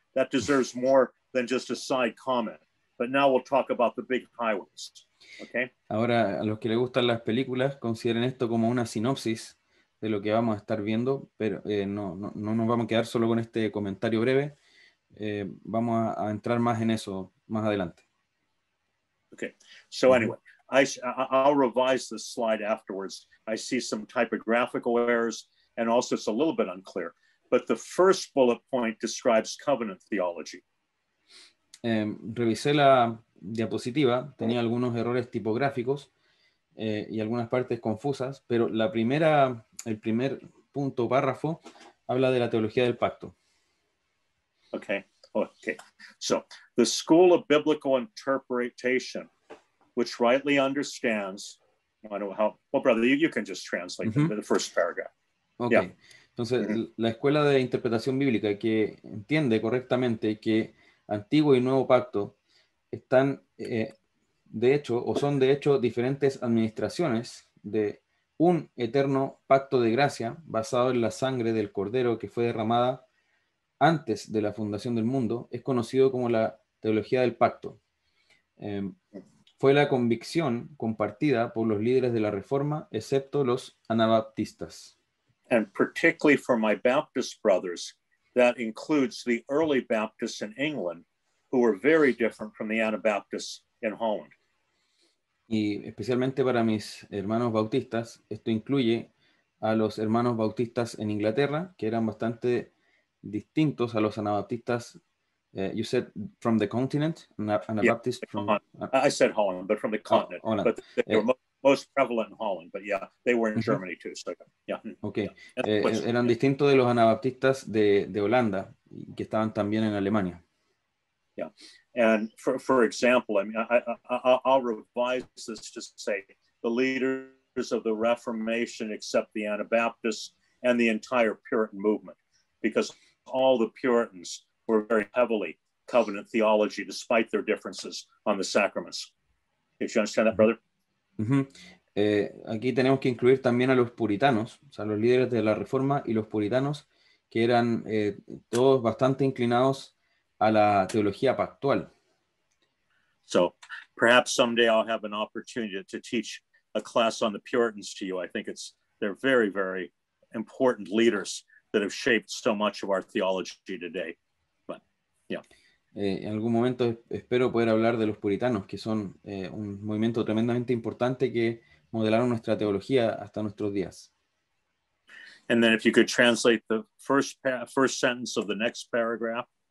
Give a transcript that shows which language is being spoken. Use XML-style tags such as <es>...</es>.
<en>That deserves more than just a side comment. But now we'll talk about the big highways. Okay?</en> <es>Ahora, a los que les gustan las películas, consideren esto como una sinopsis de lo que vamos a estar viendo, pero no nos vamos a quedar solo con este comentario breve. Vamos a entrar más en eso más adelante.</es> <en>Okay. So anyway, I'll revise this slide afterwards. I see some typographical errors, and also it's a little bit unclear. But the first bullet point describes covenant theology.</en> <es>Revisé la diapositiva. Tenía algunos errores tipográficos y algunas partes confusas. Pero el primer punto, párrafo, habla de la teología del pacto.</es> <en>Okay. So, the school of biblical interpretation, which rightly understands, I don't know how, well, brother, you can just translate the first paragraph. Okay. Yeah.</en> <es>Entonces, la escuela de interpretación bíblica que entiende correctamente que antiguo y nuevo pacto están, de hecho, o son de hecho diferentes administraciones de un eterno pacto de gracia basado en la sangre del Cordero que fue derramada antes de la fundación del mundo, es conocido como la teología del pacto. Fue la convicción compartida por los líderes de la Reforma, excepto los anabaptistas.</es> <en>And particularly for my Baptist brothers, that includes the early Baptists in England, who were very different from the Anabaptists in Holland.</en> <es>Y especialmente para mis hermanos bautistas, esto incluye a los hermanos bautistas en Inglaterra, que eran bastante distintos a los anabaptistas.</es> <en>You said from the continent, Anabaptists from. I said Holland, but from the continent. Holland. But they were most prevalent in Holland, but yeah, they were in Germany too. So yeah. Okay.</en> <es>Eran distintos de los anabaptistas de Holanda que estaban también en Alemania.</es> <en>Yeah, and for example, I mean, I'll revise this to say the leaders of the Reformation, except the Anabaptists and the entire Puritan movement, because all the Puritans were very heavily covenant theology, despite their differences on the sacraments. Did you understand that, brother? Uh-huh.</en> <es>Aquí tenemos que incluir también a los puritanos, o sea, los líderes de la Reforma y los puritanos, que eran todos bastante inclinados a la teología pactual.</es> <en>So, perhaps someday I'll have an opportunity to teach a class on the Puritans to you. I think they're very, very important leaders that have shaped so much of our theology today. But, yeah.</en> <es>En algún momento espero poder hablar de los puritanos, que son un movimiento tremendamente importante que modelaron nuestra teología hasta nuestros días.</es> <en>And then if you could translate the first sentence of the next paragraph.</en>